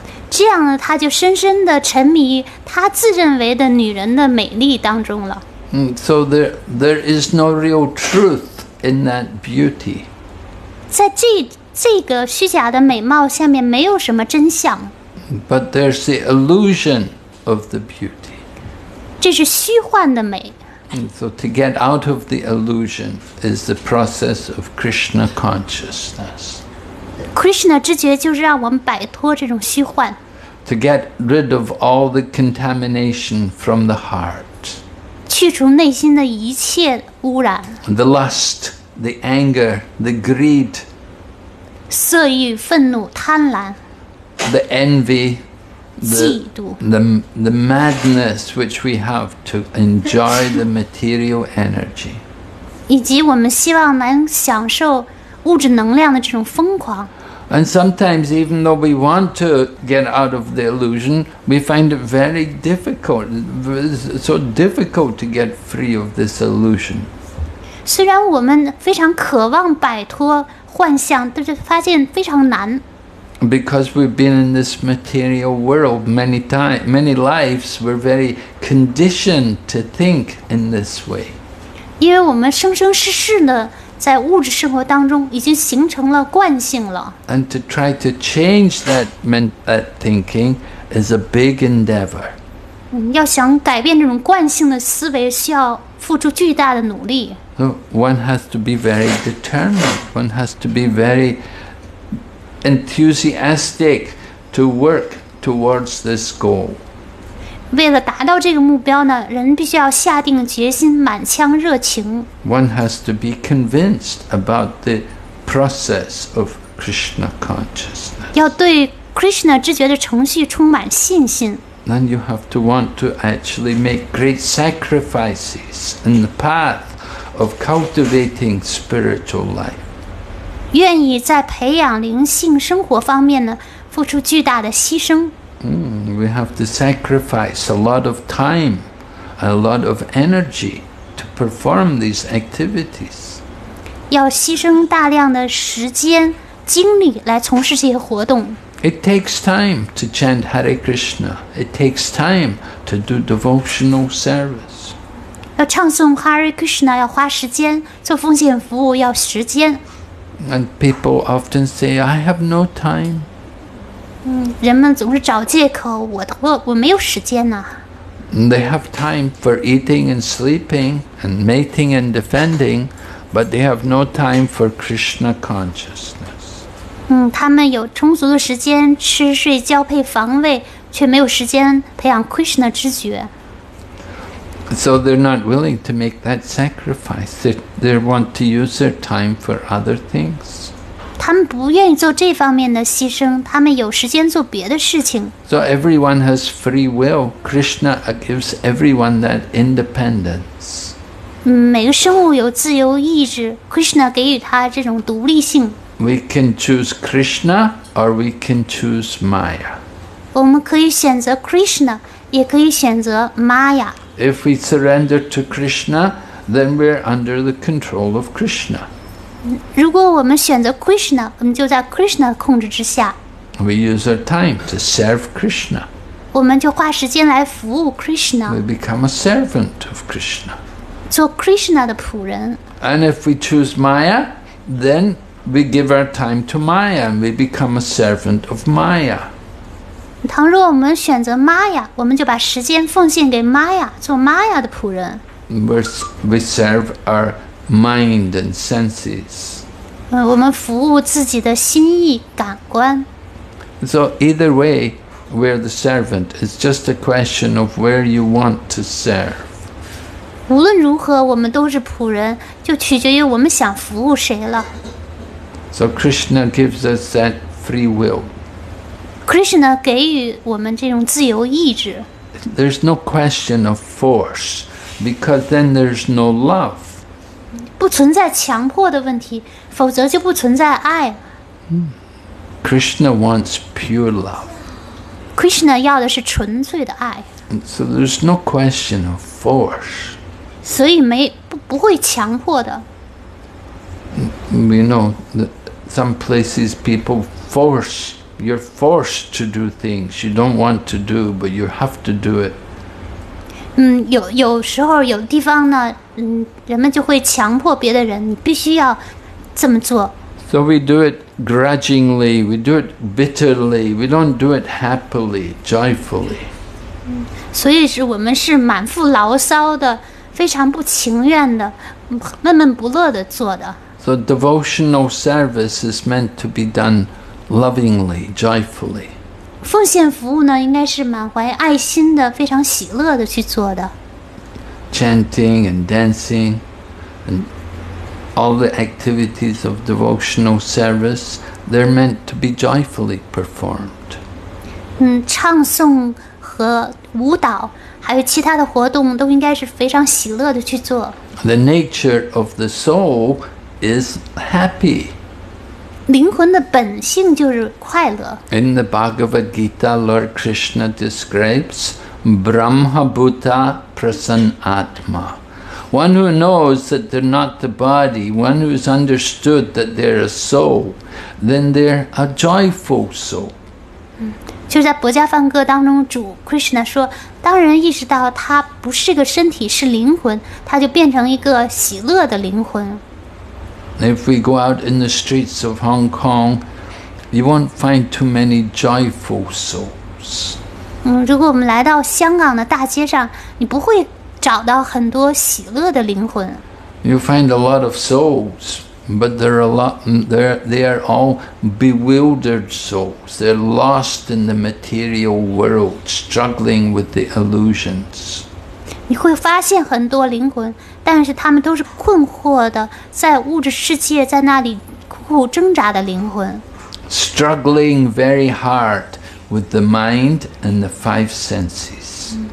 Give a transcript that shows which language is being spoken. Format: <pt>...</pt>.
<zh>这样呢，他就深深地沉迷他自认为的女人的美丽当中了。</zh> <en>So there is no real truth in that beauty.</en> <zh>在这个虚假的美貌下面，没有什么真相。</zh> <en>But there's the illusion of the beauty.</en> <zh>这是虚幻的美。</zh> <en>So to get out of the illusion is the process of Krishna consciousness.</en> <zh>Krishna 知觉就是让我们摆脱这种虚幻</zh> <en>To get rid of all the contamination from the heart</en> <zh>去除内心的一切污染</zh> <en>The lust, the anger, the greed</en> <zh>色欲、愤怒、贪婪</zh> <en>The envy,</en> <zh>嫉妒</zh> <en>the madness which we have to enjoy the material energy</en> <zh>以及我们希望能享受物质能量的这种疯狂</zh> <en>And sometimes, even though we want to get out of the illusion, we find it very difficult, so difficult to get free of this illusion.</en> <zh>虽然我们非常渴望摆脱幻象，但是发现非常难。</zh> <en>Because we've been in this material world many lives, we're very conditioned to think in this way.</en> <zh>因为我们生生世世呢在物质生活当中已经形成了惯性了</zh> <en>And to try to change that thinking is a big endeavor</en> <zh>要想改变这种惯性的思维需要付出巨大的努力</zh> <en>So one has to be very determined one has to be very enthusiastic to work towards this goal</en> <zh>为了达到这个目标呢人必须要下定决心满腔热情</zh> <en>One has to be convinced about the process of Krishna consciousness</en> <zh>要对 Krishna 知觉的程序充满信心</zh> <en>Then you have to want to actually make great sacrifices in the path of cultivating spiritual life</en> <zh>愿意在培养灵性生活方面呢付出巨大的牺牲</zh> <en>We have to sacrifice a lot of time, a lot of energy to perform these activities.</en> <zh>要牺牲大量的时间、精力来从事这些活动。</zh> <en>It takes time to chant Hare Krishna. It takes time to do devotional service.</en> <zh>要唱诵 Hare Krishna 要花时间，做奉献服务要时间。</zh> <en>And people often say, I have no time.</en> <zh>人们总是找借口我没有时间呢</zh> <en>They have time for eating and sleeping and mating and defending but they have no time for Krishna consciousness</en> <zh>他们有充足的时间吃睡交配防卫却没有时间培养 Krishna 知觉</zh> <en>So they're not willing to make that sacrifice they want to use their time for other things</en> <zh>他们不愿意做这方面的牺牲他们有时间做别的事情</zh> <en>So everyone has free will Krishna gives everyone that independence</en> <zh>每个生物有自由意志 Krishna 给予他这种独立性</zh> <en>We can choose Krishna or we can choose Maya</en> <zh>我们可以选择 Krishna 也可以选择 Maya</zh> <en>If we surrender to Krishna then we're under the control of Krishna</en> <zh>如果我们选择 Krishna, 我们就在 Krishna 的控制之下。</zh> <en>We use our time to serve Krishna.</en> <zh>我们就花时间来服务 Krishna.</zh> <en>We become a servant of Krishna.</en> <zh>做 Krishna 的仆人。</zh> <en>And if we choose Maya, then we give our time to Maya and we become a servant of Maya.</en> <zh>倘若我们选择 Maya, 我们就把时间奉献给 Maya, 做 Maya 的仆人。</zh> <en>We serve our mind and senses.</en> <zh>我们服务自己的心意感官。</zh> <en>So either way, we're the servant. It's just a question of where you want to serve.</en> <zh>无论如何，我们都是仆人，就取决于我们想服务谁了。</zh> <en>So Krishna gives us that free will.</en> <zh>Krishna 给予我们这种自由意志。</zh> <en>There's no question of force, because then there's no love.</en> <zh>不存在强迫的问题，否则就不存在爱。</zh> <en>Krishna wants pure love.</en> <zh>Krishna 要的是纯粹的爱。</zh> <en>So there's no question of force.</en> <zh>所以不会强迫的。</zh> <en>You know, some places people force, you're forced to do things you don't want to do, but you have to do it.</en> <zh>有时候有地方呢，人们就会强迫别的人，你必须要这么做。</zh> <en>So we do it grudgingly, we do it bitterly, we don't do it happily, joyfully.</en> <zh>所以是我们是满腹牢骚的，非常不情愿的，闷闷不乐的做的。</zh> <en>So devotional service is meant to be done lovingly, joyfully.</en> <zh>奉献服务呢，应该是满怀爱心的，非常喜乐的去做的。</zh> <en>Chanting and dancing and all the activities of devotional service, they're meant to be joyfully performed.</en> <zh>唱诵和舞蹈还有其他的活动都应该是非常喜乐的去做。</zh> <en>The nature of the soul is happy.</en> <zh>灵魂的本性就是快乐。</zh> <en>In the Bhagavad Gita, Lord Krishna describes</en> <sa>Brahma Bhuta Prasannatma.</sa> <en>One who knows that they're not the body, one who's understood that they're a soul, then they're a joyful soul.</en> <zh>就在《薄伽梵歌》当中，主 Krishna 说，当人意识到他不是个身体，是灵魂，他就变成一个喜乐的灵魂。</zh> <en>If we go out in the streets of Hong Kong, you won't find too many joyful souls.</en> <zh>如果我们来到香港的大街上，你不会找到很多喜乐的灵魂。</zh> <en>You find a lot of souls, but they are all bewildered souls. They're lost in the material world, struggling with the illusions.</en> <zh>你会发现很多灵魂，但是他们都是困惑的，在物质世界，在那里苦苦挣扎的灵魂。</zh> <en>Struggling very hard with the mind and the five senses.</en>